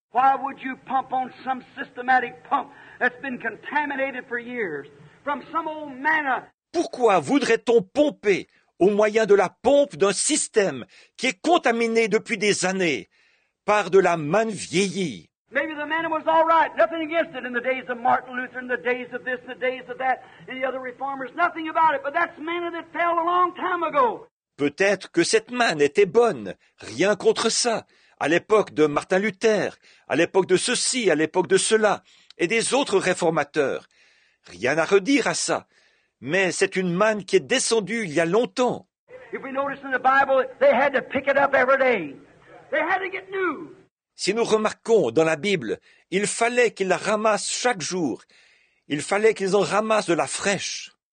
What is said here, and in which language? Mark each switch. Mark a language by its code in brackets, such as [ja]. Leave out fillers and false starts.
[en] Why would you pump on some systematic pump that's been contaminated for years from some old manna? [fr] Pourquoi voudrait-on pomper au moyen de la pompe d'un système qui est contaminé depuis des années par de la manne vieillie? [en] Maybe the manna was all right. Nothing against it in the days of Martin Luther, in the days of this, in the days of that, and the other reformers. Nothing about it. But that's manna that fell a long time ago. [fr] Peut-être que cette manne était bonne. Rien contre ça. À l'époque de Martin Luther, à l'époque de ceci, à l'époque de cela, et des autres réformateurs. Rien à redire à ça. Mais c'est une manne qui est descendue il y a longtemps. [en] If we notice in the Bible, they had to pick it up every day. They had to get new. [fr] Si nous remarquons dans la Bible, il fallait qu'ils la ramassent chaque jour. Il fallait qu'ils en ramassent de la fraîche.